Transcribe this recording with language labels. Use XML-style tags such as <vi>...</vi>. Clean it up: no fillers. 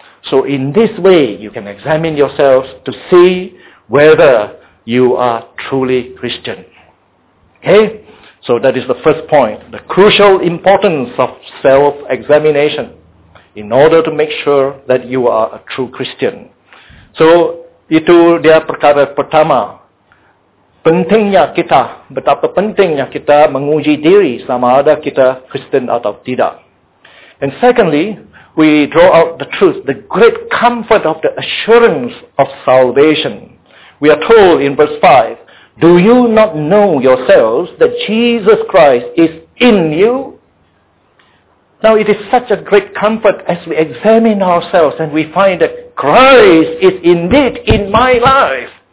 <en>So in this way, you can examine yourselves to see whether you are truly Christian. Okay? So that is the first point, the crucial importance of self-examination in order to make sure that you are a true Christian.</en> <ms>So itu dia perkara pertama. Pentingnya kita, betapa pentingnya kita menguji diri sama ada kita Kristen atau tidak.</ms> <en>And secondly, we draw out the truth, the great comfort of the assurance of salvation. We are told in verse 5, do you not know yourselves that Jesus Christ is in you? Now it is such a great comfort as we examine ourselves and we find that Christ is indeed in my life.</en>